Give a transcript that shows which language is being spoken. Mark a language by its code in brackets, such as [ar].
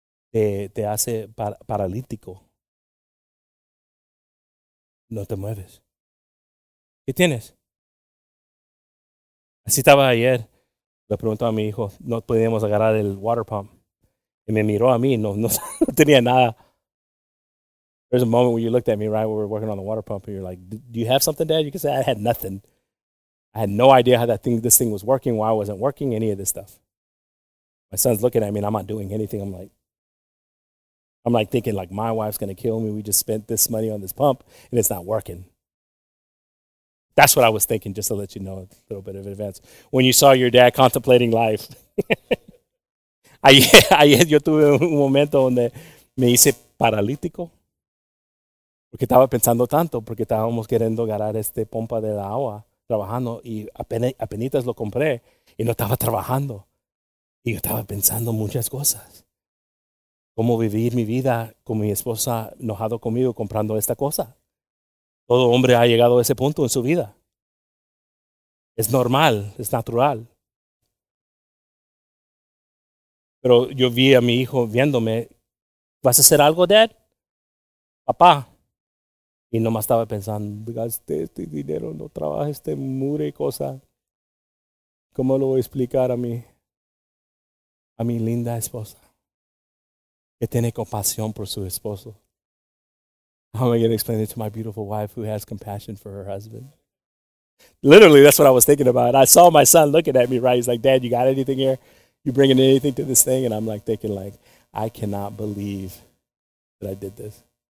[es] Te hace paralítico. No te mueves. ¿Qué tienes? Así estaba ayer, le preguntó a mi hijo, no podíamos agarrar el water pump. Y me miró a mí, no tenía nada. [en] There's a moment where you looked at me, right, where we were working on the water pump, and you're like, do you have something, Dad? You can say, I had nothing. I had no idea how this thing was working, why I wasn't working, any of this stuff. My son's looking at me, and I'm not doing anything. I'm like thinking, like, my wife's going to kill me. We just spent this money on this pump, and it's not working. That's what I was thinking, just to let you know a little bit of advance. When you saw your dad contemplating life. [es] Ayer yo tuve un momento donde me hice paralítico. Porque estaba pensando tanto, porque estábamos queriendo agarrar este pompa de la agua, trabajando, y apenitas lo compré, y no estaba trabajando. Y yo estaba pensando muchas cosas. Cómo vivir mi vida con mi esposa enojado conmigo comprando esta cosa. Todo hombre ha llegado a ese punto en su vida. Es normal, es natural. Pero yo vi a mi hijo viéndome, ¿vas a hacer algo, Dad? Papá. Y nomás estaba pensando, gasté este dinero, no trabajé este mure cosa. ¿Cómo lo voy a explicar a mi linda esposa? Que tiene compasión por su esposo. [en] How am I going to explain it to my beautiful wife who has compassion for her husband? Literally, that's what I was thinking about. I saw my son looking at me, right? He's like, Dad, you got anything here? You bringing anything to this thing? And I'm like thinking, like, I cannot believe that I did this.